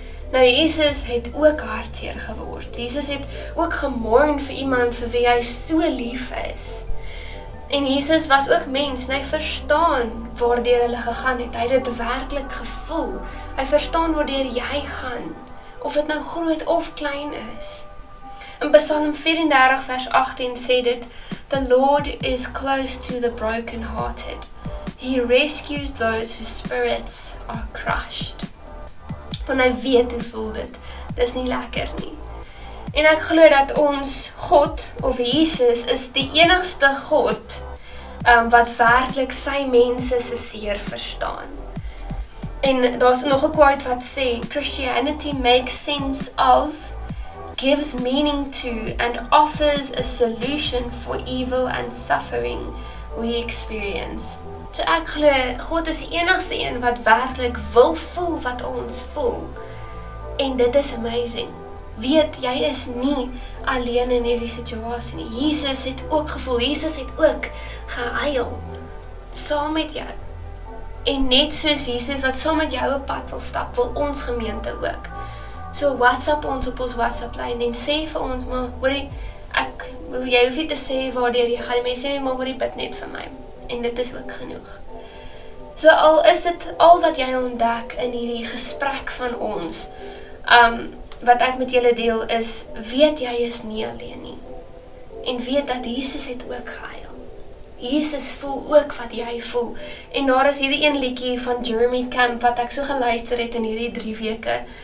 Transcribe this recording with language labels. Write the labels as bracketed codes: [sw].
[af] Nou, Jesus het ook hartseer geword. Jesus het ook gemourn vir iemand vir wie hy so lief is. En Jesus was ook mens en hy verstaan waardeur hulle gegaan het. Hy het werklik gevoel. Hy verstaan waardeur jy gaan. Of het nou groot of klein is. In Psalm 34 vers 18 sê dit, [en] The Lord is close to the brokenhearted. He rescues those whose spirits are crushed. [af] Want hy weet hoe voel dit. Dis nie lekker nie. En ek glo dat ons God of Jesus is die enigste God wat werklik sy mense se seer verstaan. En daar's nog 'n quote wat sê, [en] Christianity makes sense of, gives meaning to, and offers a solution for evil and suffering we experience. [af] So ek glo, God is die enigste een wat werklik wil voel wat ons voel. En dit is amazing. Weet, jy is nie alleen in hierdie situasie nie. Jesus het ook gevoel, Jesus het ook gehuil, saam met jou. En net soos Jesus wat saam met jou op pad wil stap, wil ons gemeente ook. So WhatsApp ons op ons WhatsApp lyn en sê vir ons, maar hoorie, jy hoef nie te sê waardeur jy gaan, die mense nie, maar hoorie, bid net vir my. En dit is ook genoeg. So al is dit al wat jy ontdek in hierdie gesprek van ons, wat ek met julle deel is, weet jy is nie alleen nie. En weet dat Jesus het ook gehuil. Jesus voel ook wat jy voel. En daar is hierdie een liedjie van Jeremy Camp wat ek so geluister het in hierdie 3 weke.